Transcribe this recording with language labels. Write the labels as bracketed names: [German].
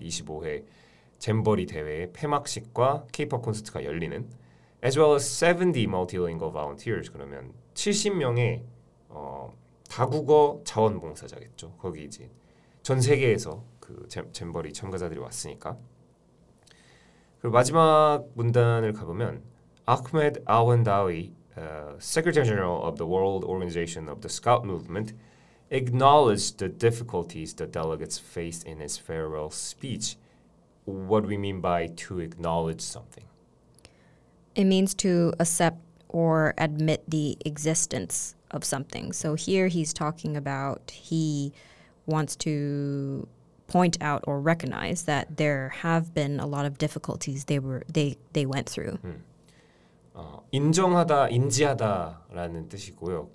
[Korean] 25회 잼버리 대회의 폐막식과 K-POP 콘서트가 열리는 [English] as well as 70 multilingual volunteers. [Korean] 그러면 70명의 다국어 자원봉사자겠죠. 거기 이제 전 세계에서 그 잼버리 참가자들이 왔으니까. 그리고 마지막 문단을 가보면 [English] Ahmed Al-Hindawi, Secretary General of the World Organization of the Scout Movement, acknowledged the difficulties the delegates faced in his farewell speech. What do we mean by to acknowledge something? It means to accept or admit the existence of something. So here he's talking about he wants to point out or recognize that there have been a lot of difficulties they went through. [Korean] 인정하다, 인지하다라는 뜻이고요.